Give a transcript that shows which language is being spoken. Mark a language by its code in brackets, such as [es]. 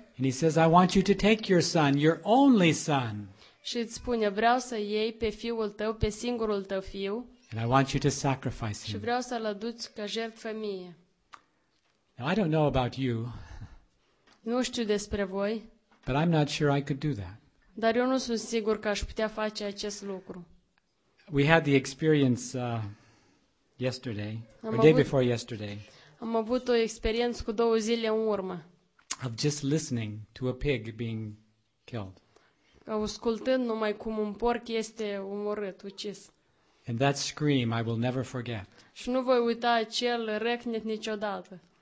[en] And he says, "I want you to take your son, your only son." [ro] Și îți spune, vreau să iei pe fiul tău, pe singurul tău fiu. [en] And I want you to sacrifice him. [ro] Și vreau să-l aduci ca jertfă mie. [en] Now, I don't know about you. [ro] Nu știu despre voi. [en] But I'm not sure I could do that. [ro] Dar eu nu sunt sigur că aș putea face acest lucru. [en] We had the experience yesterday, the day before yesterday. [ro] Am avut o experiență cu două zile în urmă. [en] Of just listening to a pig being killed. [ro] Ascultând numai cum un porc este omorât, ucis. [en] And that scream I will never forget. [ro] Și nu voi uita acel răcnet niciodată.